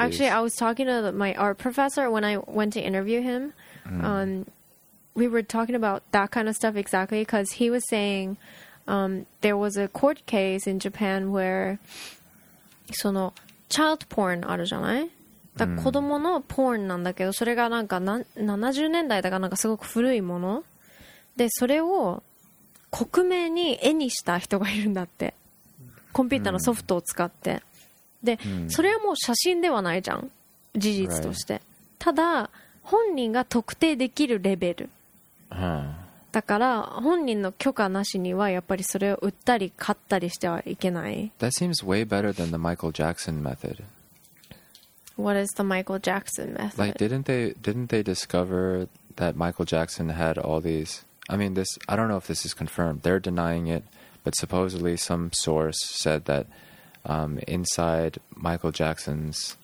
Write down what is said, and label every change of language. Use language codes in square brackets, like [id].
[en] Actually, I was talking to my art professor when I went to interview him.、Mm. We were talking about that kind of stuff exactly because he was saying、there was a court case in Japan where その child porn [ja] あるじゃない? だ子供のポーンなんだけどそれがなんか70年代だからなんかすごく古いものでそれを克明に絵にした人がいるんだってコンピューターのソフトを使ってでそれはもう写真ではないじゃん事実としてただ本人が特定できるレベルだから本人の許可なしにはやっぱりそれを売ったり買ったりしてはいけない [en] That seems way better than the Michael Jackson method What is the Michael Jackson method? Like, didn't they discover that Michael Jackson had all these... I mean, this... I don't know if this is confirmed. They're denying it, but supposedly some source said that inside Michael Jackson's...